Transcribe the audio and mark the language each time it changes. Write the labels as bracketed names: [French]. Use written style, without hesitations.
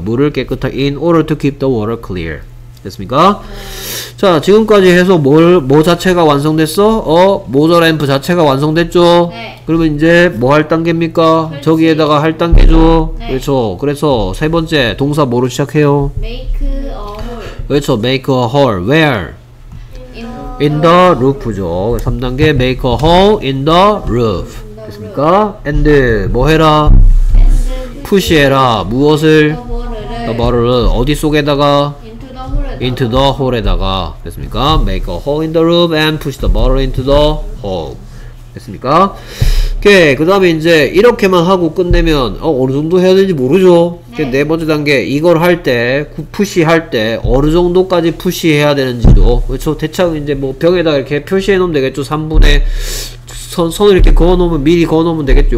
[Korean] 물을 깨끗하게 [English] in order to keep the water clear. [Korean] 됐습니까? 자, 지금까지 해서 뭐 자체가 완성됐어? 모저 램프 자체가 완성됐죠? 네. 그러면 이제 뭐 할 단계입니까? 그렇지. 저기에다가 할 단계죠? 네. 그렇죠. 그래서 세 번째 동사 뭐로 시작해요? [English] Make a hole. [Korean] 그렇죠. [English] Make a hole. Where? In the roof죠. [Korean] 3단계 [English] make a hole in the roof. [Korean] 됐습니까? And 뭐 해라? Push 해라. 무엇을? [English] The water를. [Korean] 어디 속에다가? [English] Into the [Korean] hole에다가. 됐습니까? [English] Make a hole in the roof and push the bottle into the hole. [Korean] 됐습니까? 오케이. 그 다음에 이제 이렇게만 하고 끝내면 어느 정도 해야 되는지 모르죠? 네. 네 번째 단계 이걸 할 때, 푸시 할 때 어느 정도까지 푸시 해야 되는지도 그렇죠? 대충 이제 뭐 병에다가 이렇게 표시해놓으면 되겠죠? 3분의 선을 이렇게 그어놓으면 미리 그어놓으면 되겠죠?